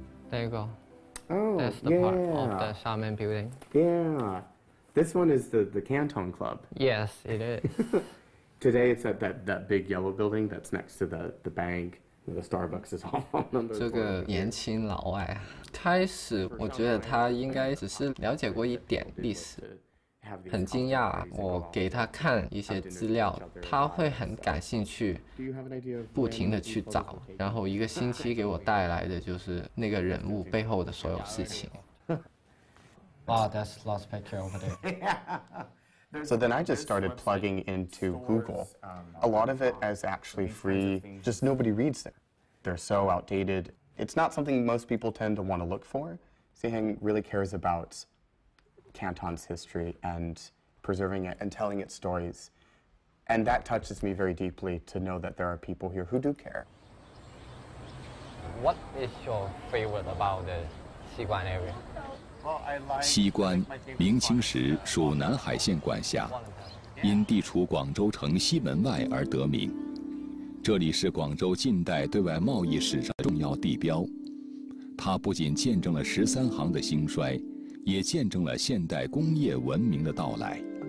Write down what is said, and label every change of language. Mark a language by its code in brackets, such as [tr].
[zh] 那个 [en] Oh, that's the yeah. part of the Xiamen building. Yeah. This one is the Canton Club. Yes, it is. Today it's at that big yellow building that's next to the bank. The Starbucks is off on the. [zh] 这个年轻老外，开始我觉得他应该只是了解过一点历史，很惊讶。我给他看一些资料，他会很感兴趣，不停的去找。然后一个星期给我带来的就是那个人物背后的所有事情。 [en] Wow, that's lost picture over there. So then I just started plugging into Google. A lot of it is actually free, just nobody reads them. They're so outdated. It's not something most people tend to want to look for. Siheng really cares about Canton's history and preserving it and telling its stories. And that touches me very deeply to know that there are people here who do care. What is your favorite about the Xiguan area? [zh] 西关，明清时属南海县管辖，因地处广州城西门外而得名。这里是广州近代对外贸易史上的重要地标，它不仅见证了十三行的兴衰，也见证了现代工业文明的到来。